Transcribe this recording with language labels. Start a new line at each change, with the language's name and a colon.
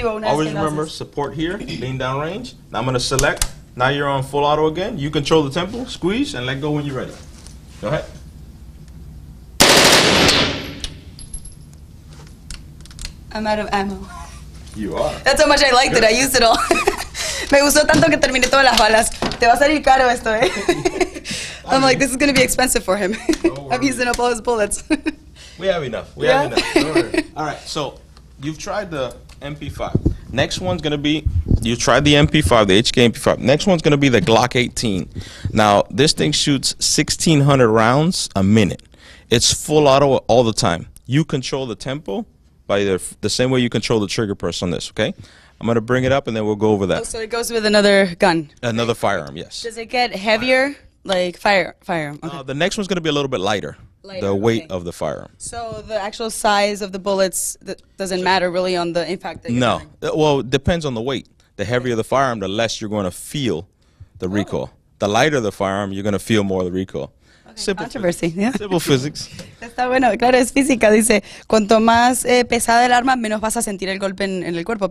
English: always remember support here, lean down range. Now I'm going to select. Now you're on full auto again. You control the tempo, squeeze, and let go when you're ready. Go ahead. I'm out of ammo. You are. That's how much I liked it. I used it all.
Spanish: Me gustó tanto que terminé todas las balas. Te va a salir caro esto, eh?
English: I mean, this is going to be expensive for him. I'm using up all his bullets. We have enough. We have enough. All right, so you've tried the MP5. Next one's going to be, you tried the MP5, the HK MP5. Next one's going to be the Glock 18. Now, this thing shoots 1,600 rounds a minute. It's full auto all the time. You control the tempo by the same way you control the trigger press on this, okay? I'm going to bring it up, and then we'll go over that. Oh, so it goes with another gun? Another firearm, yes. Does it get heavier? Firearm. Okay. The next one's going to be a little bit lighter. Later, the weight of the firearm. So the actual size of the bullets doesn't matter really on the impact that you're having. No. Well, it depends on the weight. The heavier the firearm, the less you're going to feel the recoil. The lighter the firearm, you're going to feel more of the recoil. Okay. Simple controversy. Simple physics.
Spanish: Está bueno. Claro, es física. Dice, cuanto más pesada el arma, menos vas a sentir el golpe en el cuerpo.